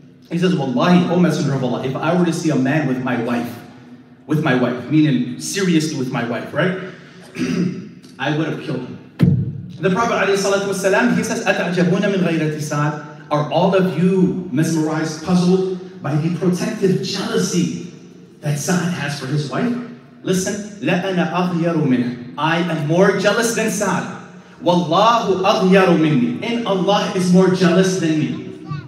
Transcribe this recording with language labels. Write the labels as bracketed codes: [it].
[en] He says, Wallahi, O Messenger of Allah, if I were to see a man with my wife, meaning seriously with my wife, right? I would have killed him. The Prophet [ar] عليه الصلاة والسلام, [en] he says, [ar] أتعجبون من غيرة سعد? [en] Are all of you mesmerized, puzzled by the protective jealousy that Sa'd has for his wife? Listen, [ar] la ana aghyaru minhu. [en] I am more jealous than Sa'd. [ar] Wallahu aghyaru minni. [en] And Allah is more jealous than me.